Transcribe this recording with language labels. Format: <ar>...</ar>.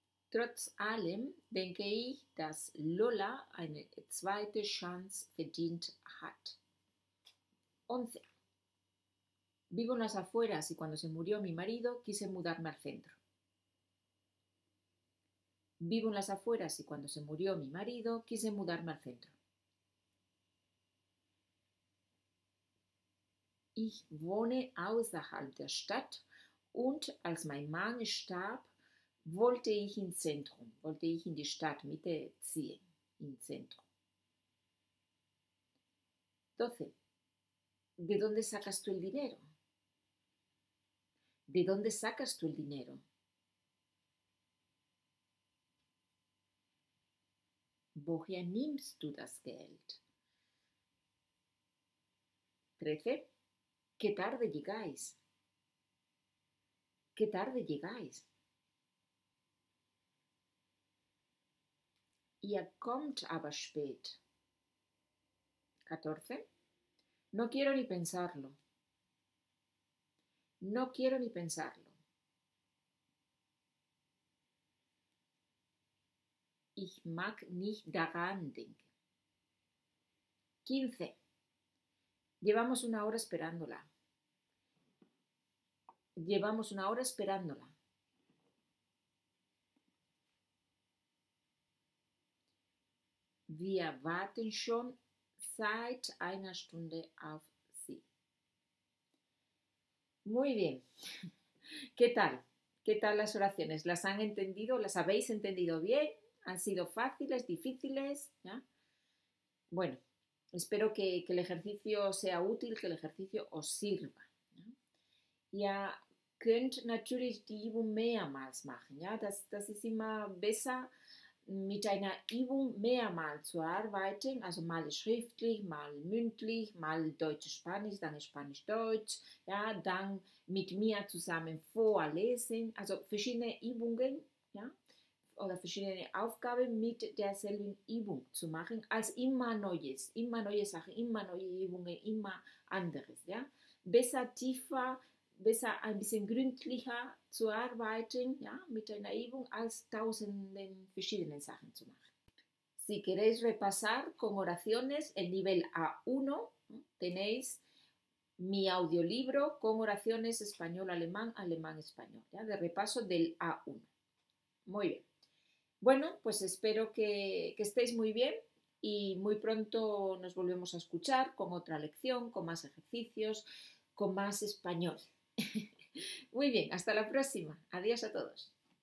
<de>Trotz allem denke ich, dass Lola eine zweite Chance verdient hat. 11.</de> <es>Vivo en las afueras y cuando se murió mi marido quise mudarme al centro. Vivo en las afueras y cuando se murió mi marido quise mudarme al centro.</es> <de>Ich wohne außerhalb der Stadt und als mein Mann starb, wollte ich ins Zentrum, wollte ich in die Stadt Mitte ziehen, ins Zentrum. 12.</de> <es>¿De dónde sacas tú el dinero? ¿De dónde sacas tú el dinero?</es> <de>Woher nimmst du das Geld?</de> <es>13. ¿Qué tarde llegáis? ¿Qué tarde llegáis?</es> <de>Ihr kommt aber spät. 14.</de> <es>No quiero ni pensarlo. No quiero ni pensarlo.</es> <de>Ich mag nicht daran denken. 15.</de> <es>Llevamos una hora esperándola. Llevamos una hora esperándola.</es> <de>Wir warten schon seit einer Stunde auf Sie.</de> <es>Muy bien. ¿Qué tal? ¿Qué tal las oraciones? ¿Las han entendido? ¿Las habéis entendido bien? ¿Han sido fáciles, difíciles? ¿Ya? Bueno, espero que el ejercicio sea útil, que el ejercicio os sirva.</es> <de>Ya könnt natürlich die Übung mehrmals machen. Das ist immer besser, mit einer Übung mehrmals zu arbeiten, also mal schriftlich, mal mündlich, mal Deutsch-Spanisch, dann Spanisch-Deutsch, ja, dann mit mir zusammen vorlesen, also verschiedene Übungen, ja, oder verschiedene Aufgaben mit derselben Übung zu machen, als immer neue Sachen, immer neue Übungen, immer anderes, ja. Besser tiefer, besser ein bisschen gründlicher zu arbeiten, ja, mit einer Übung, als tausenden verschiedenen Sachen zu machen.</de> <es>Si queréis repasar con oraciones el nivel A1, tenéis mi audiolibro con oraciones español-alemán, alemán-español, ya, de repaso del A1. Muy bien. Bueno, pues espero que estéis muy bien y muy pronto nos volvemos a escuchar con otra lección, con más ejercicios, con más español. Muy bien, hasta la próxima. Adiós a todos.</es>